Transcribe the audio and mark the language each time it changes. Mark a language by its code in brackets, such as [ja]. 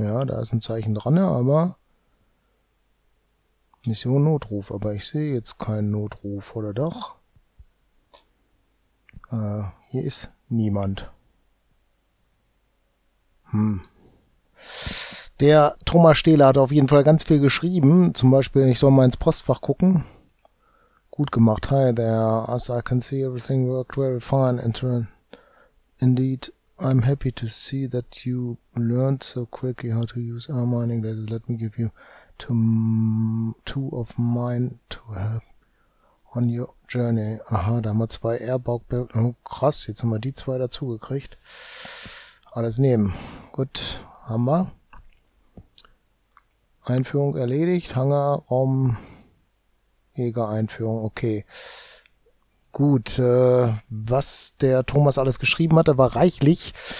[de] Ja, da ist ein Zeichen dran, aber Mission Notruf, aber ich sehe jetzt keinen Notruf, oder doch? Hier ist niemand. Der Thomas Stehler hat auf jeden Fall ganz viel geschrieben. Zum Beispiel, ich soll mal ins Postfach gucken. Gut gemacht. [en] Hi there. As I can see, everything worked very fine. Indeed, I'm happy to see that you learned so quickly how to use our mining lasers. Let me give you two of mine to help on your journey. [de] Aha, da haben wir zwei Airbag. Oh, krass, jetzt haben wir die zwei dazu gekriegt. Alles nehmen. Gut, haben wir. Einführung erledigt, Hangar, Raum, Jäger-Einführung, okay. Gut, was der Thomas alles geschrieben hat, war reichlich.